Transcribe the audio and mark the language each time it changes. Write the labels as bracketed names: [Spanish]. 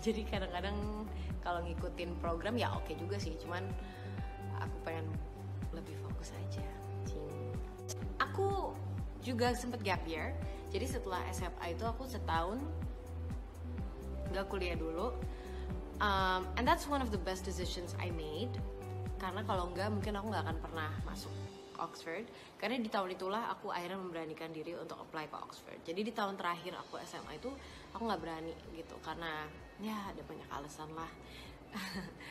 [Indonesian] Jadi kadang-kadang kalau ngikutin program ya oke juga sih, cuman aku pengen lebih fokus aja. Aku juga sempet gap year. Jadi setelah SFA itu aku setahun gak kuliah dulu. [English] And that's one of the best decisions I made. [Indonesian] Karena kalau enggak mungkin aku gak akan pernah masuk Oxford. Karena di tahun itulah aku akhirnya memberanikan diri untuk apply ke Oxford. Jadi di tahun terakhir aku SMA itu aku gak berani gitu. Karena ya ada banyak alasan lah.